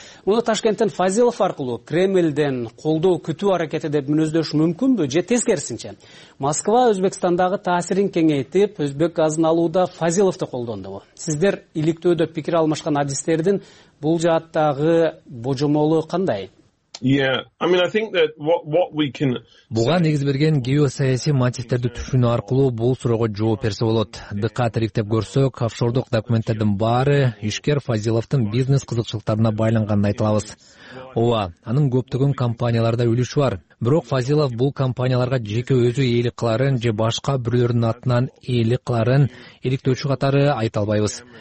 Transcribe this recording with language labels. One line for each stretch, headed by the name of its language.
Kyrgyz: Муну Ташкенттен Фазилов аркылуу Кремлден колдоо күтүү аракети деп мүнөздөш мүмкүнбү же тескерисинче? Москва Өзбекстандагы таасирин кеңейтип, өзбек газын алууда Фазиловду колдондубу? Сиздер иликтөөдө пикир алмашкан адистердин бул жааттагы божомолу кандай?
English: Yeah, I mean, I think that what we can.
Kyrgyz: Буга негиз берген геосаясий мотивтерди түшүнүү аркылуу бул суроого жооп берсе болот. Дыкат иликтеп көрсөк, офшордук документтердин баары ишкер Фазиловдун бизнес кызыкчылыктарына байланганын айталабыз. Ооба, анын көптөгөн компанияларда үлүшү бар. Бирок Фазилов бул компанияларга жеке өзү ээлик кыларын же башка бирөөлөрдүн атынан ээлик кыларын иликтөөчү катары айта албайбыз.